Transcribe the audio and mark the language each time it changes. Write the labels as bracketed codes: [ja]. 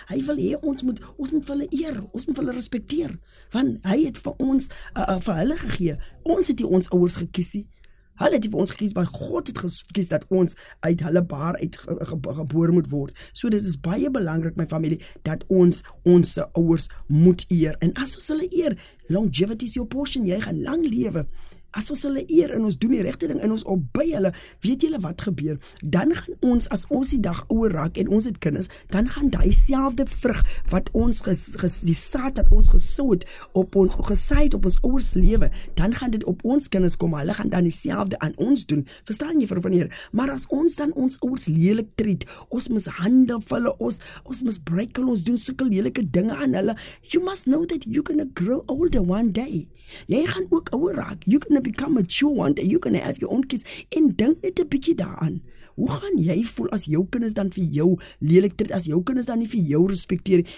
[af] Hy wil hê ons moet hulle eer, ons moet hulle respekteer, want hy het vir ons vir hulle gegee. Ons het nie ons ouers gekies nie. Hulle het vir ons gekies, maar God het gekies dat ons uit hulle baar uit gebore moet word. So dit is baie belangrik, my familie, dat ons ons ouers moet eer. En as ons hulle eer, [en] longevity is your portion, [af] jy gaan lang lewe. As ons hulle eer en ons doen die regte ding en ons obey hulle, weet julle wat gebeur? Dan gaan ons, as ons die dag ouer raak en ons het kinders, dan gaan die selfde vrug wat ons die saad dat ons gesow het op ons gesaid op ons ouers lewe, dan gaan dit op ons kinders kom. Hulle gaan dan dieselfde aan ons doen. Verstaan jy, vrou van die Here? Maar as ons dan ons ouers lelik treat, ons mishandel hulle, ons misbruik hulle, ons doen sulke lelike dinge aan hulle, [en] you must know that you're gonna grow older one day. [af] Jy gaan ook ouer raak. [en] You gonna become mature one day. You gonna have your own kids. [af] En dink net 'n bietjie daaraan. Hoe gaan jy voel as jou kinders dan vir jou lelik treat, as jou kinders dan nie vir jou respekteer?